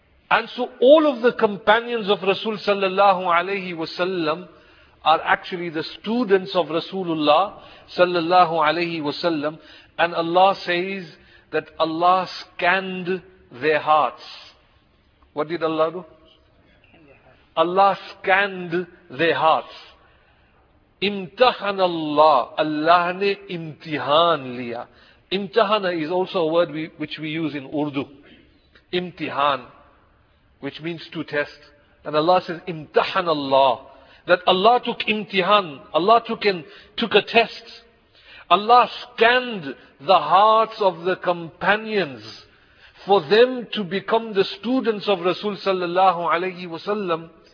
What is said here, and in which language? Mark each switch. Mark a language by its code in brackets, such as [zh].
[en] And so all of the companions of Rasul sallallahu alayhi wa sallam are actually the students of Rasulullah sallallahu alayhi wa sallam. And Allah says that Allah scanned their hearts. What did Allah do? Allah scanned their hearts. [ar] Imtahana Allah. [ur] اللہ نے امتحان لیا [en] Imtahana is also a word which we use in Urdu. Imtihan, which means to test. And Allah says, [ar] imtahana Allah. [en] That Allah took imtihan. Allah took a test. Allah scanned the hearts of the companions for them to become the students of Rasul sallallahu alayhi wa sallam.